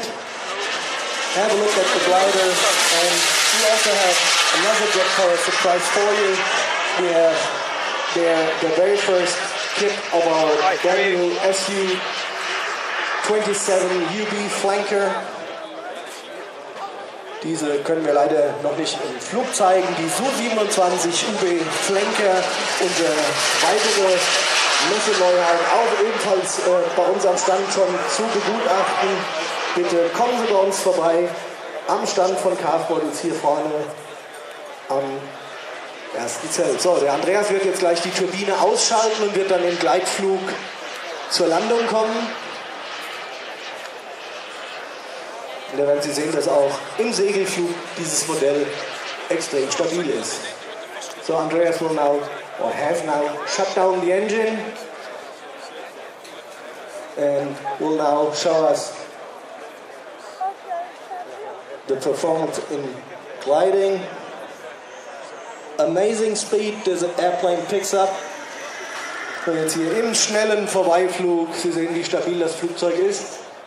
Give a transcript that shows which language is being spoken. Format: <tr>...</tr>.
<en>Have a look at the glider, and we also have another jet power surprise for you. We have the very first kit of our brand new SU-27 UB Flanker.</en> <de>Diese können wir leider noch nicht im Flug zeigen. Die Su-27 UB Flanker, unsere weitere Messeneuheit, auch ebenfalls bei uns am Stand schon zu begutachten. Bitte kommen Sie bei uns vorbei am Stand von Carbodies hier vorne am ersten Zelt. So, der Andreas wird jetzt gleich die Turbine ausschalten und wird dann im Gleitflug zur Landung kommen. Und da werden Sie sehen, dass auch im Segelflug dieses Modell extrem stabil ist.</de> <en>So, Andreas will now, or have now, shut down the engine and will now show us the performance in gliding. Amazing speed this airplane picks up.</en> <de>So jetzt hier im schnellen Vorbeiflug, Sie sehen, wie stabil das Flugzeug ist.</de>